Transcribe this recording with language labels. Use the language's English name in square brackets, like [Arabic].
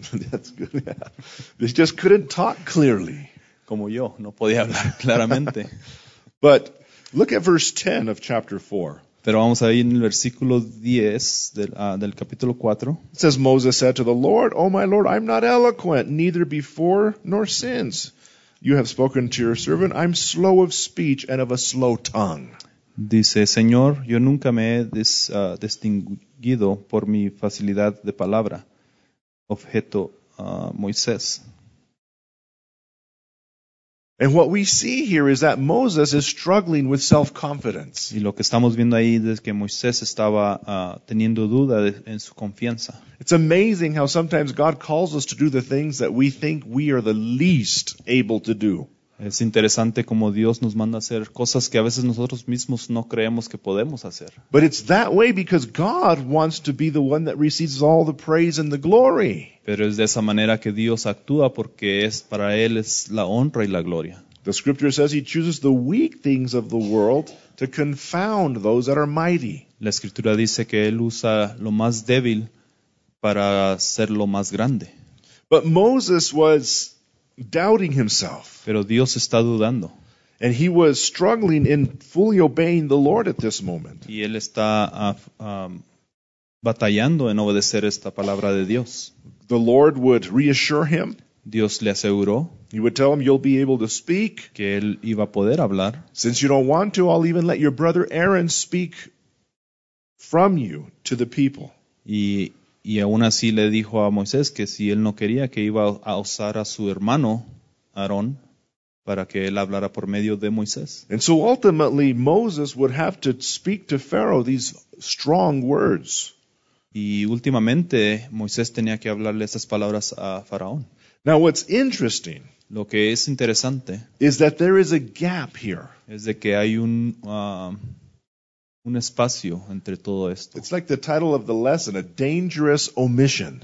[English] That's good, yeah. He just couldn't talk clearly. [Spanish] Como yo, no podía hablar claramente. [English] But look at verse 10 of chapter 4. [Spanish] Pero vamos ahí en el versículo 10 del capítulo 4. [English] It says, Moses said to the Lord, oh my Lord, I'm not eloquent, neither before nor since. You have spoken to your servant, I'm slow of speech and of a slow tongue. [Spanish] Dice, Señor, yo nunca me he distinguido por mi facilidad de palabra. Objeto Moisés. [English] And what we see here is that Moses is struggling with self-confidence. [Spanish] Y lo que estamos viendo ahí es que Moisés estaba teniendo duda en su confianza. [English] It's amazing how sometimes God calls us to do the things that we think we are the least able to do. [Spanish] Es interesante cómo Dios nos manda a hacer cosas que a veces nosotros mismos no creemos que podemos hacer. [English] But it's that way because God wants to be the one that receives all the praise and the glory. [Spanish] Pero es de esa manera que Dios actúa porque es para Él es la honra y la gloria. [English] The scripture says He chooses the weak things of the world to confound those that are mighty. [Spanish] La escritura dice que Él usa lo más débil para ser lo más grande. [English] But Moses was doubting himself. [Spanish] Pero Dios está dudando. [English] And he was struggling in fully obeying the Lord at this moment. [Spanish] Y él está batallando en obedecer esta palabra de Dios. [English] The Lord would reassure him. [Spanish] Dios le aseguró. [English] He would tell him, you'll be able to speak. [Spanish] Que él iba a poder hablar. [English] Since you don't want to, I'll even let your brother Aaron speak from you to the people. [Spanish] Y aún así le dijo a Moisés que si él no quería, que iba a usar a su hermano, Aarón, para que él hablara por medio de Moisés. [English] And so ultimately, Moses would have to speak to Pharaoh these strong words. [Spanish] Y últimamente, Moisés tenía que hablarle esas palabras a Faraón. [English] Now what's interesting, [Spanish] lo que es interesante, [English] is that there is a gap here. [Spanish] Es de que hay un espacio entre todo esto. [English] It's like the title of the lesson, a dangerous omission.